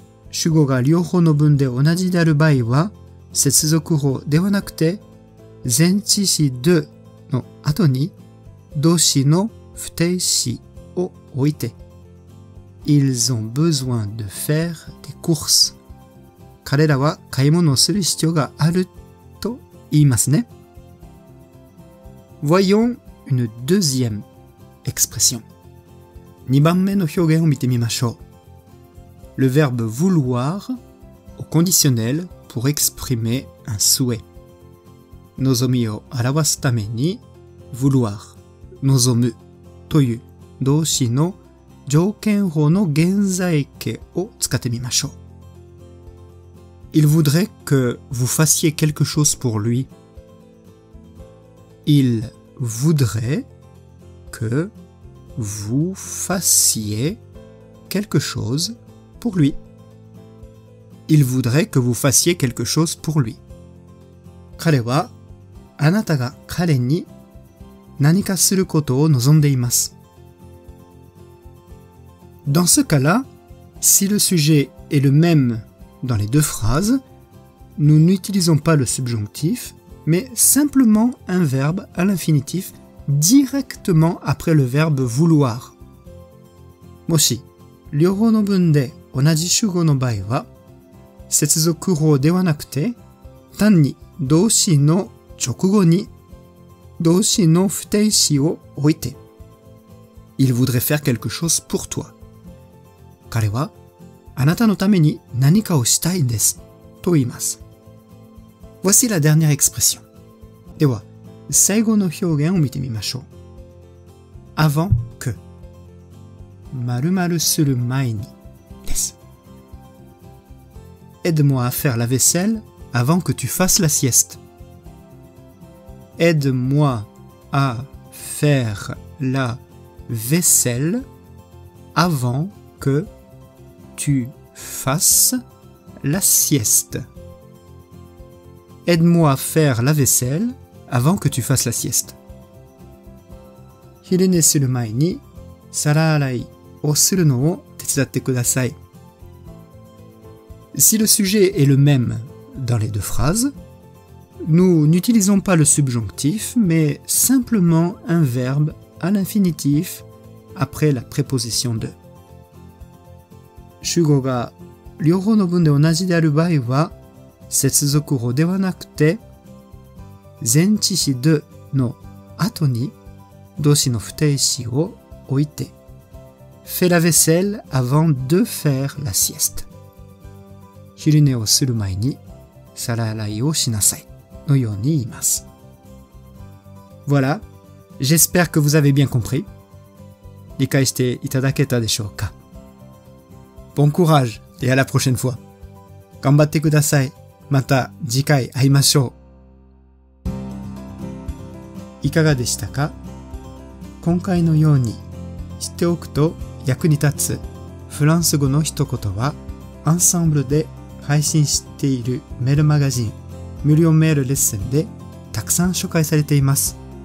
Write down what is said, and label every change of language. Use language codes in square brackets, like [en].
[ja] 主語が両方の文で同じである場合は、接続語ではなくて、前置詞de の後に動詞の不定詞を置いて。 [fr] Ils ont besoin de faire des courses. [ja] 彼らは買い物をする必要があると言いますね。 [fr] Voyons une deuxième expression. [ja] 2番目の表現を見てみましょう。 [fr] Le verbe vouloir au conditionnel pour exprimer un souhait. [ja] 望みを表すために vouloir, 望むという動詞の条件法の現在形を使ってみましょう。 [fr] Il voudrait que vous fassiez quelque chose pour lui. Il voudrait que vous fassiez quelque chose pour lui. Il voudrait que vous fassiez quelque chose pour lui. [ja] 彼はあなたが彼に何かすることを望んでいます。 [fr] Dans ce cas-là, si le sujet est le même dans les deux phrases, nous n'utilisons pas le subjonctif, mais simplement un verbe à l'infinitif directement après le verbe vouloir. [ja] もし、両方の文で同じ主語の場合は、接続語ではなくて、単に動詞の直後に動詞の不定詞を置いて。 [fr] Il voudrait faire quelque chose pour toi. [ja] 彼はあなたのために何かをしたいですと言います。 [fr] Voici la dernière expression. [ja] では、最後の表現を見てみましょう。 [fr] Avant que [ja] 〇〇する前にです。 [fr] Aide-moi à faire la vaisselle avant que tu fasses la sieste. Aide-moi à faire la vaisselle avant que tu fasses la sieste. Aide-moi à faire la vaisselle avant que tu fasses la sieste. [ja] 昼寝する前に皿洗いをするのを手伝ってください。 [fr] Si le sujet est le même dans les deux phrases, nous n'utilisons pas le subjonctif, mais simplement un verbe à l'infinitif après la préposition de. [ja] 主語が両方の文で同じである場合は、接続語ではなくて、前置詞でのあとに動詞の不定詞を置いて、 [fr] Fais la vaisselle avant de faire la sieste. [ja] 昼寝をする前に皿洗いをしなさいのように言います。 [fr] Voilà, j'espère que vous avez bien compris. [ja] 理解していただけたでしょうか? [fr] Bon courage et à la prochaine fois. [ja] 頑張ってください。また次回会いましょう。いかがでしたか? 今回のように知っておくと役に立つフランス語の一言は、アンサンブルで配信しているメールマガジン無料メールレッスンでたくさん紹介されています。